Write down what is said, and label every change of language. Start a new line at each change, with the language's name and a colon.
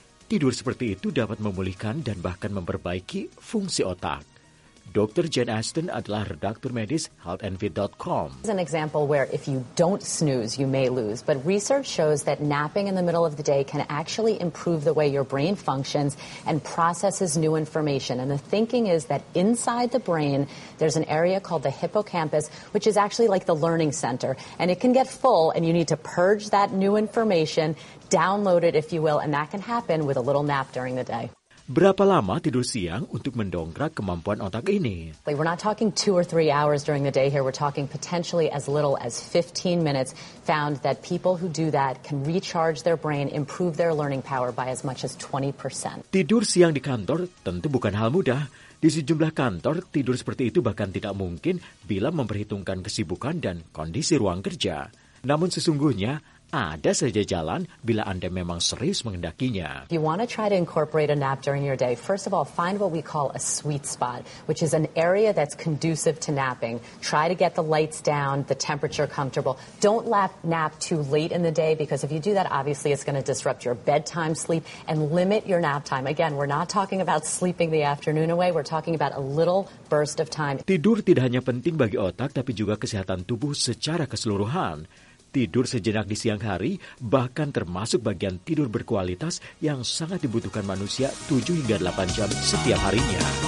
Indonesian: Tidur seperti itu dapat memulihkan dan bahkan memperbaiki fungsi otak. Dr. Jane Aston adalah redaktur medis healthenvy.com.
English: This is an example where if you don't snooze, you may lose. But research shows that napping in the middle of the day can actually improve the way your brain functions and processes new information. And the thinking is that inside the brain, there's an area called the hippocampus, which is actually like the learning center. And it can get full and you need to purge that new information, download it if you will, and that can happen with a little nap during the day.
Indonesian: Berapa lama tidur siang untuk mendongkrak kemampuan otak ini?
English: We're not talking 2 or 3 hours during the day here. We're talking potentially as little as 15 minutes. Found that people who do that can recharge their brain, improve their learning power by as much as 20%.
Indonesian: Tidur siang di kantor tentu bukan hal mudah. Di sejumlah kantor, tidur seperti itu bahkan tidak mungkin bila memperhitungkan kesibukan dan kondisi ruang kerja. Namun sesungguhnya, ada saja jalan bila Anda memang serius mengendakinya.
English: You want to try to incorporate a nap during your day. First of all, find what we call a sweet spot, which is an area that's conducive to napping. Try to get the lights down, the temperature comfortable. Don't nap too late in the day, because if you do that, obviously it's going to disrupt your bedtime sleep and limit your nap time. Again, we're not talking about sleeping the afternoon away. We're talking about a little burst of time.
Indonesian: Tidur tidak hanya penting bagi otak, tapi juga kesehatan tubuh secara keseluruhan. Tidur sejenak di siang hari bahkan termasuk bagian tidur berkualitas yang sangat dibutuhkan manusia 7 hingga 8 jam setiap harinya.